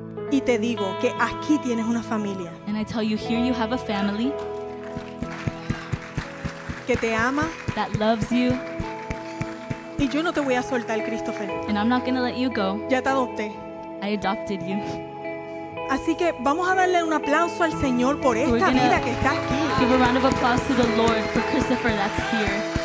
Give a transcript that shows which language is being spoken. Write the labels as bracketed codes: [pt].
[es] Y te digo que aquí tienes una familia. [en] And I tell you, here you have a family. [es] Que te ama. [en] That loves you. [es] Y yo no te voy a soltar, Christopher. [en] And I'm not going to let you go. [es] Ya te adopté. [en] I adopted you. [es] Así que vamos a darle un aplauso al Señor por esta vida que está aquí. [en] Give a round of applause to the Lord for Christopher that's here.